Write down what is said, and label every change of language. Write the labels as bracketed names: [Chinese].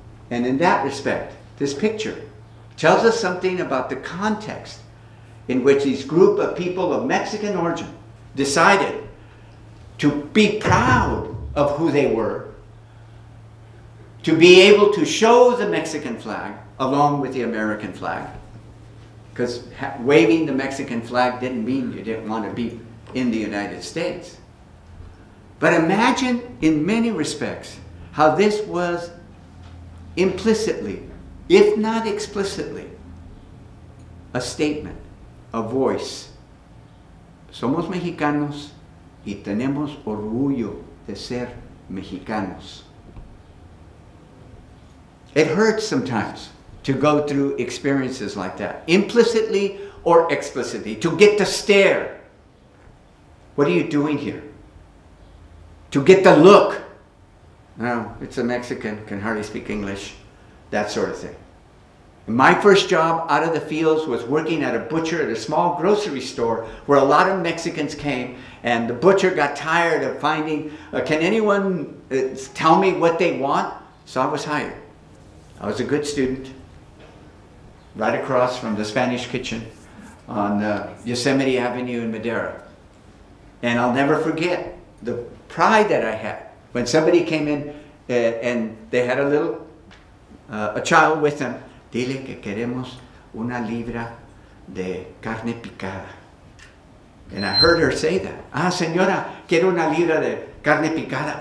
[English] And in that respect, this picture tells us something about the context in which this group of people of Mexican origin decided to be proud of who they were, to be able to show the Mexican flag along with the American flag, because waving the Mexican flag didn't mean you didn't want to be in the United States. But imagine in many respects how this was implicitly, if not explicitly, a statement, a voice. [Spanish] Somos Mexicanos y tenemos orgullo de ser Mexicanos. [English] It hurts sometimes to go through experiences like that, implicitly or explicitly, to get the stare. What are you doing here? To get the look. No, it's a Mexican, can hardly speak English, that sort of thing. My first job out of the fields was working at a butcher at a small grocery store where a lot of Mexicans came, and the butcher got tired of finding, can anyone tell me what they want? So I was hired. I was a good student, right across from the Spanish kitchen on Yosemite Avenue in Madera. And I'll never forget the pride that I had when somebody came in and they had a little, a child with them. [Spanish] Dile que queremos una libra de carne picada. [English] And I heard her say that. [Spanish] Ah, señora, quiero una libra de carne picada.